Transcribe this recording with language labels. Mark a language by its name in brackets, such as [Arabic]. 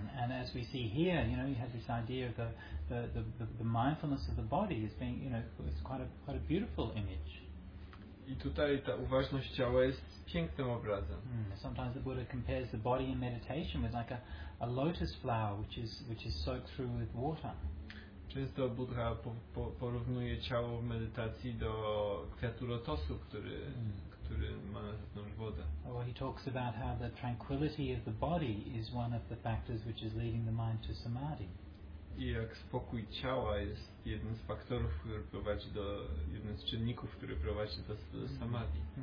[English] And as we see here, you have this idea of the mindfulness of the body as being, it's quite a beautiful image. [Polish] I tutaj ta uważność ciała jest pięknym obrazem. [English] Sometimes the Buddha compares the body in meditation with like a lotus flower, which is soaked through with water. [Polish] Często Buddha porównuje ciało w medytacji do kwiatu lotosu, który ma nasyconą wodę. [English] Or he talks about how the tranquility of the body is one of the factors which is leading the mind to samadhi. [Polish] I jak spokój ciała jest jednym z faktorów, który prowadzi do, jednym z czynników, który prowadzi do samadhi.